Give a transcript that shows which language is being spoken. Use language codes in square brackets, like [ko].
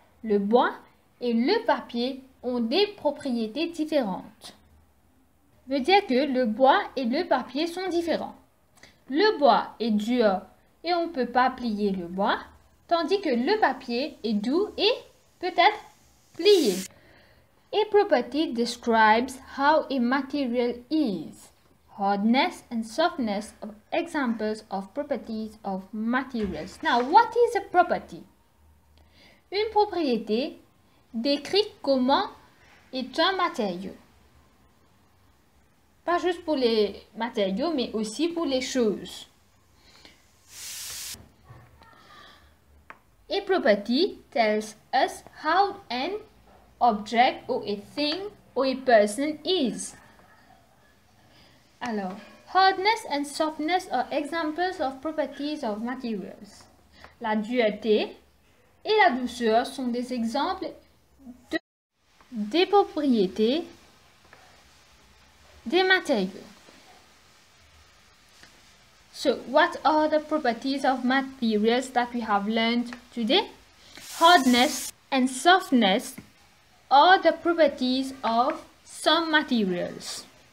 [fr] Le bois et le papier ont des propriétés différentes. Ça veut dire que le bois et le papier sont différents. Le bois est dur et on ne peut pas plier le bois, tandis que le papier est doux et peut-être plié. [en] A property describes how a material is. Hardness and softness are examples of properties of materials. Now, what is a property? [fr] Une propriété décrit comment est un matériau. Pas juste pour les matériaux, mais aussi pour les choses. [en] A property tells us how an object or a thing or a person is. [fr] Alors, [en] hardness and softness are examples of properties of materials. [fr] La dureté et la douceur sont des exemples des propriétés des matériaux. [en] So, what are the properties of materials that we have learned today? Hardness and softness are the properties of some materials.